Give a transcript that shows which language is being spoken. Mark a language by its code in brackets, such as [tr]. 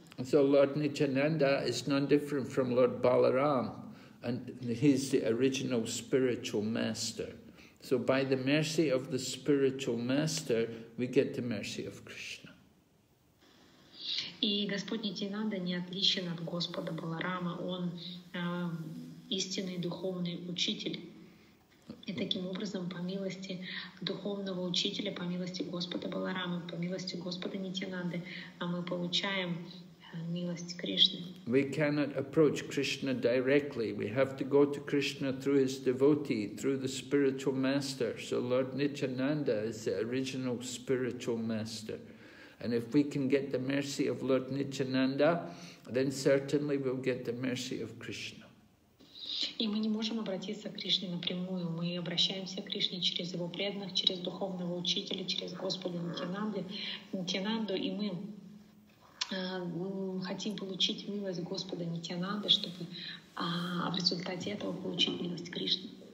[en] So Lord Nityananda is no different from Lord Balaram, and he's the original spiritual master. So by the mercy of the spiritual master, we get the mercy of Krishna. [ru] И Господь Нитянанда не отличен от Господа Баларама, он истинный духовный учитель. И таким образом, по милости духовного учителя, по милости Господа Баларамы, по милости Господа Нитянанды, мы получаем милость Кришны. [en] We cannot approach Krishna directly. We have to go to Krishna through his devotee, through the spiritual master. So Lord Nityananda is the original spiritual master. And if we can get the mercy of Lord Nityananda, then certainly we'll get the mercy of Krishna. [ru] И мы не можем обратиться к Кришне напрямую. Мы обращаемся к Кришне через его преданных, через духовного учителя, через Господа Нитянанду, и мы хотим получить милость Господа Нитянанды, чтобы в результате этого получить милость Кришны.